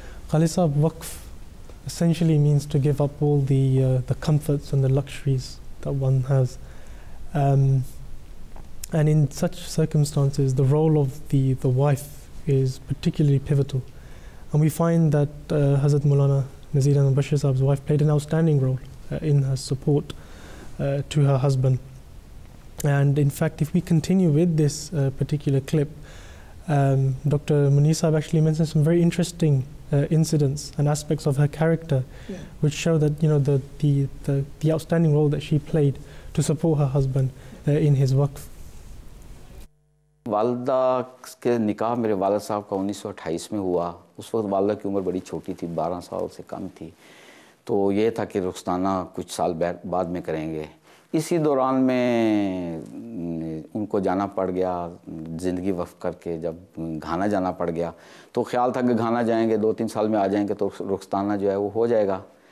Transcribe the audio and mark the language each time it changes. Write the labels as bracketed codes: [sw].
[en] Khalid sahab waqf essentially means to give up all the comforts and the luxuries that one has and in such circumstances the role of the wife is particularly pivotal and we find that Hazrat Maulana Nazir Ahmed Mubashar Sahib's wife played an outstanding role in her support to her husband. And in fact, if we continue with this particular clip, Dr. Munir Sahib actually mentioned some very interesting incidents and aspects of her character, yeah. Which show that you know the outstanding role that she played to support her husband in his work. [hi] वालदा के निकाह मेरे वालद साहब का 1928 में हुआ उस वक्त वालदा की उम्र बड़ी छोटी थी 12 साल से कम थी तो ये था कि रुखसाना कुछ साल बाद में करेंगे इसी दौरान में उनको जाना पड़ गया ज़िंदगी वक्फ करके जब घाना जाना पड़ गया तो ख्याल था कि घाना जाएंगे 2-3 साल में आ जाएंगे तो रुखसाना जो है वो हो जाएगा